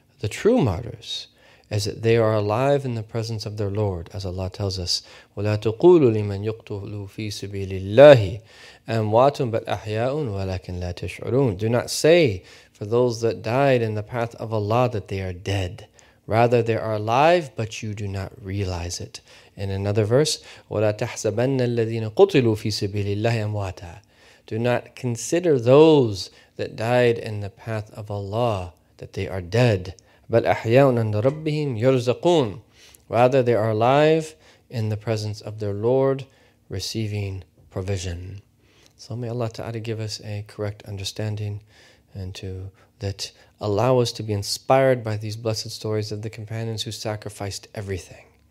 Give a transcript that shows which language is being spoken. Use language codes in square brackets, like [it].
[en] The true martyrs, as they are alive in the presence of their Lord, as Allah tells us, [ar] وَلَا تُقُولُ لِمَنْ يُقْتُلُ فِي سَبِيلِ اللَّهِ أَمْوَاتٌ بَلْ أَحْيَاءٌ وَلَكِنْ لَا تَشْعُرُونَ. [en] Do not say for those that died in the path of Allah that they are dead. Rather, they are alive, but you do not realize it. In another verse, [ar] وَلَا تَحْسَبَنَّ الَّذِينَ قُتِلُوا فِي سَبِيلِ اللَّهِ أَمْوَاتًا. [en] Do not consider those that died in the path of Allah that they are dead. [ar] بَلْ أَحْيَاءٌ عَنْدَ رَبِّهِمْ يُرْزَقُونَ. [en] Rather, they are alive in the presence of their Lord, receiving provision. So may Allah Ta'ala give us a correct understanding and to that allow us to be inspired by these blessed stories of the companions who sacrificed everything.